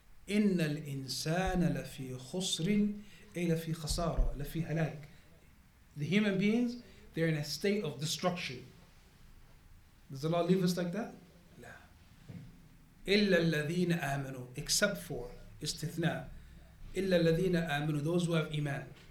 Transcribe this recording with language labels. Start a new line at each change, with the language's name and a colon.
Arabic: إن الإنسان لفي خسر أي لفي خسارة لفي هلاك.
English: The human beings, they're in a state of destruction. Does Allah leave us like that?
Arabic: لا. إلا الذين آمنوا,
English: except for
Arabic: استثناء. إلا الذين آمنوا,
English: those who have
Arabic: إيمان.